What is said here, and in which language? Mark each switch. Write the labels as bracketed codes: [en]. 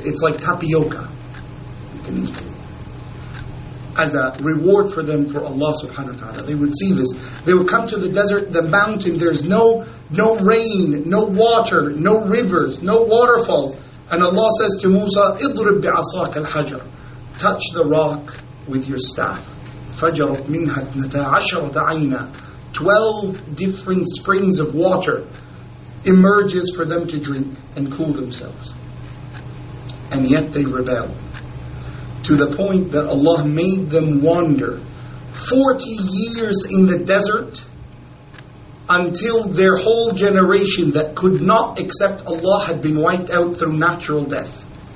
[en] It's like tapioca. You can eat it as a reward for them, for Allah subhanahu wa ta'ala. They would see this. They would come to the desert, the mountain, there's no rain, no water, no rivers, no waterfalls. And Allah says to Musa, [ar] اضرب بعصاك الحجر. [en] Touch the rock with your staff. [ar] فجرت منها اثنتا عشرة عينا. [en] 12 different springs of water emerges for them to drink and cool themselves. And yet they rebel, to the point that Allah made them wander 40 years in the desert until their whole generation that could not accept Allah had been wiped out through natural death.